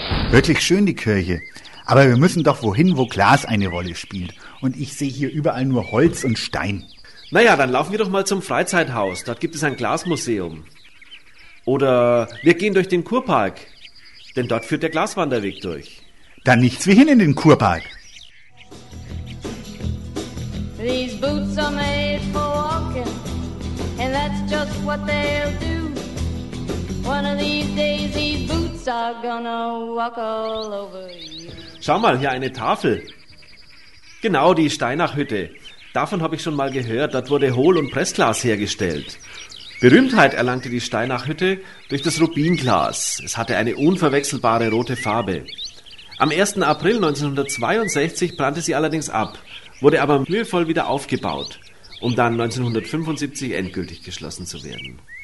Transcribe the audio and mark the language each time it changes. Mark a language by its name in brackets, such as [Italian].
[German] Wirklich schön, die Kirche. Aber wir müssen doch wohin, wo Glas eine Rolle spielt. Und ich sehe hier überall nur Holz und Stein. Naja, dann laufen wir doch mal zum Freizeithaus. Dort gibt es ein Glasmuseum. Oder wir gehen durch den Kurpark. Denn dort führt der Glaswanderweg durch. Dann nichts wie hin in den Kurpark. [English] These boots are made for walking, and that's just what they'll do. One of these days these boots are gonna walk all over you. [German] Schau mal, hier eine Tafel. Genau, die Steinachhütte. Davon habe ich schon mal gehört, dort wurde Hohl- und Pressglas hergestellt. Berühmtheit erlangte die Steinachhütte durch das Rubinglas. Es hatte eine unverwechselbare rote Farbe. Am 1. April 1962 brannte sie allerdings ab, wurde aber mühevoll wieder aufgebaut, um dann 1975 endgültig geschlossen zu werden.